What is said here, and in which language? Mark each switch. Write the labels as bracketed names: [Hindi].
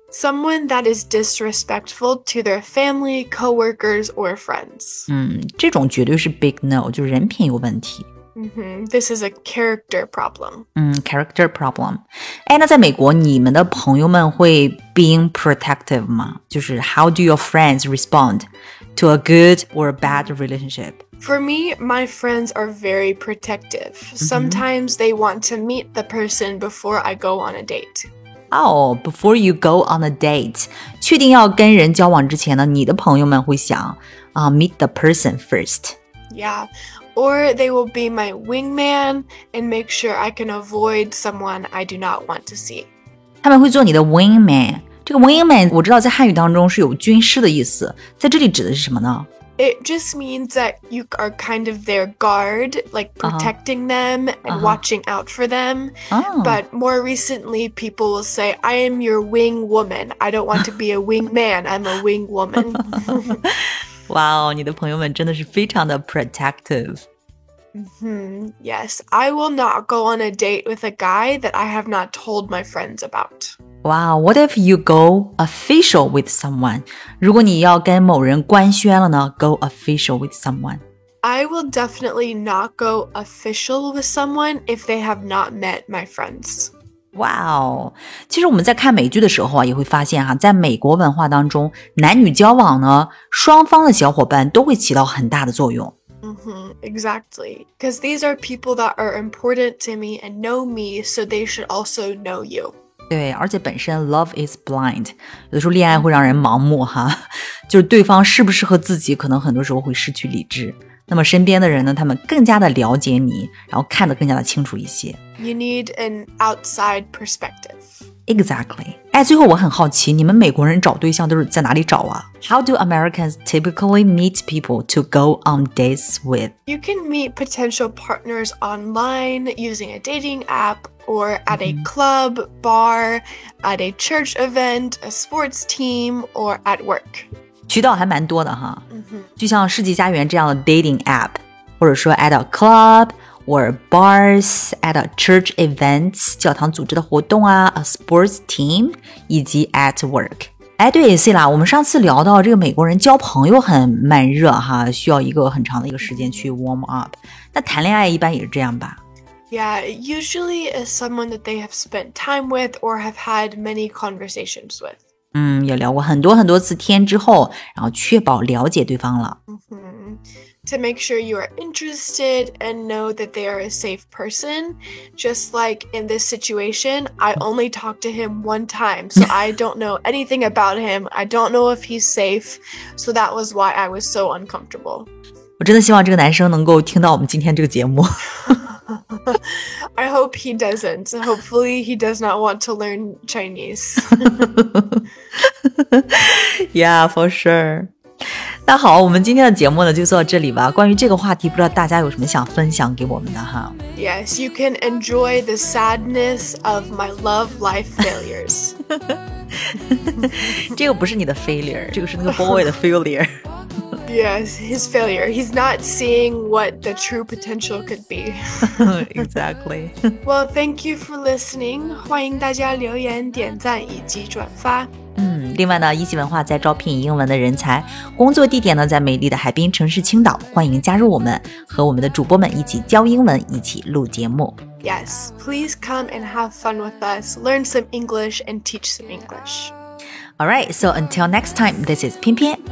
[English] Someone that is disrespectful to their family, coworkers, or friends. [Chinese] 这种绝对是 [English] big no, [Chinese] 就是人品有问题。 [English] This is a character problem. Character problem. [Chinese] 那在美国，你们的朋友们会 [English] being protective [Chinese] 吗？就是 [English] how do your friends respond to a good or a bad relationship? For me, my friends are very protective. Sometimes they want to meet the person before I go on a date. Before you go on a date. [Chinese] 确定要跟人交往之前呢，你的朋友们会想 [English] meet the person first. Yeah, or they will be my wingman and make sure I can avoid someone I do not want to see. [Chinese] 他们会做你的 wingman. 这个 wingman 我知道在汉语当中是有军师的意思，在这里指的是什么呢？ [English] It just means that you are kind of their guard, like protecting them and watching out for them. But more recently, people will say, I am your wing woman. I don't want to be a wing man. I'm a wing woman. [Chinese] Wow, 你的朋友们真的是非常的 protective. [English] Yes, I will not go on a date with a guy that I have not told my friends about. Wow, what if you go official with someone? [Chinese] 如果你要跟某人官宣了呢? [English] Go official with someone. I will definitely not go official with someone if they have not met my friends. Wow. [Chinese] 其实我们在看美剧的时候也会发现在美国文化当中男女交往呢双方的小伙伴都会起到很大的作用。 [English] Exactly. Because these are people that are important to me and know me, so they should also know you. [Chinese] 对，而且本身 [English] love is blind, [Chinese] 有的时候恋爱会让人盲目哈，就是对方适不适合自己，可能很多时候会失去理智。那么身边的人呢，他们更加的了解你，然后看得更加的清楚一些。 [English] You need an outside perspective. Exactly. [Chinese] 最后我很好奇，你们美国人找对象都是在哪里找啊？ [English] How do Americans typically meet people to go on dates with? You can meet potential partners online using a dating app. Or at a club, bar, at a church event, a sports team, or at work. [Chinese] 渠道还蛮多的哈。就像世纪家园这样的 dating app, 或者说 [English] at a club, or bars, at a church event, [Chinese] 教堂组织的活动啊 [English] a sports team, [Chinese] 以及 [English] at work. [Chinese] 对 Cilla, 我们上次聊到这个美国人交朋友很慢热哈，需要一个很长的一个时间去 [English] warm up. [Chinese] 那谈恋爱一般也是这样吧。 [English] Yeah, usually is someone that they have spent time with or have had many conversations with. [Chinese] 也聊过很多很多次天之后，然后确保了解对方了。 [English] To make sure you are interested and know that they are a safe person, just like in this situation, I only talked to him one time, so I don't know anything about him. I don't know if he's safe, so that was why I was so uncomfortable. [Chinese] 我真的希望这个男生能够听到我们今天这个节目。 [English] I hope he doesn't. Hopefully, he does not want to learn Chinese. Yeah, for sure. [Chinese] 那好，我们今天的节目呢就做到这里吧。关于这个话题，不知道大家有什么想分享给我们的哈。 [English] Yes, you can enjoy the sadness of my love life failures. [Chinese] 这个不是你的 failure, 这个是那个 boy 的 failure. [English] Yes, his failure. He's not seeing what the true potential could be. Exactly. Well, thank you for listening. [Chinese] 欢迎大家留言、点赞以及转发。另外呢，一席文化在招聘英文的人才，工作地点呢在美丽的海滨城市青岛，欢迎加入我们，和我们的主播们一起教英文，一起录节目。 [English] Yes, please come and have fun with us. Learn some English and teach some English. All right, so until next time, this is Pian Pian.